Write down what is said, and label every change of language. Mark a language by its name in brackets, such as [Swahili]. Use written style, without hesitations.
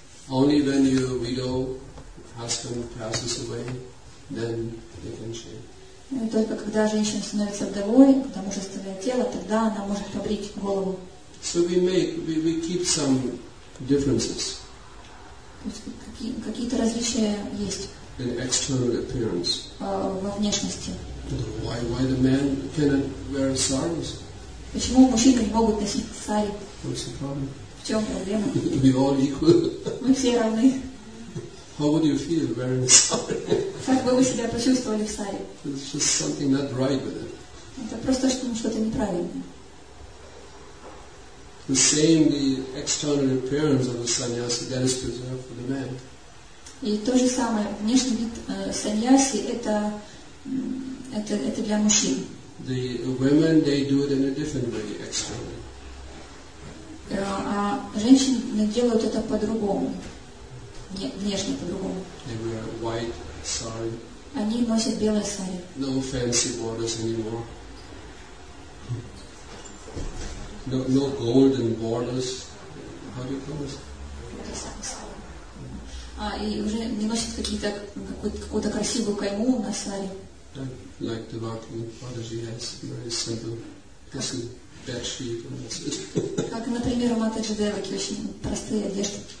[English] Only when your widow husband passes away, then they can shave. [Russian] И только когда женщина становится вдовой, когда муж оставляет тело, тогда она может побрить голову. [English] So we keep some differences. [Russian] То есть какие-то различия есть. [English] In external appearance. [Russian] Во внешности. [English] Why the man cannot wear saris? [Russian] Почему мужчины не могут носить сари? [English] What's the problem? [Russian] В чем проблема? [English] We all equal. [Russian] Мы все равны. [English] How would you feel wearing a sari? [Russian] Как бы вы себя почувствовали в сари? [English] It's just something not right with it. [Russian] Это просто что-то неправильное. [English] The same, the external appearance of the sannyasi, that is preserved for the man. [Russian] И то же самое, внешний вид саньяси это для мужчин. [English] The women, they do it in a different way, externally. [Russian] А женщины делают это по-другому. Внешне по-другому. [English] They wear white sari. [Russian] Они носят белые сари. [English] No fancy borders anymore. No golden borders. How do you call this? [Russian] И уже не носят какую-то красивую кайму на сари. [English] Like the Vakini Mataji has very simple. This is bed sheet and that's it. [Russian] Как, например, у Матаджи Деваки очень простые одежды.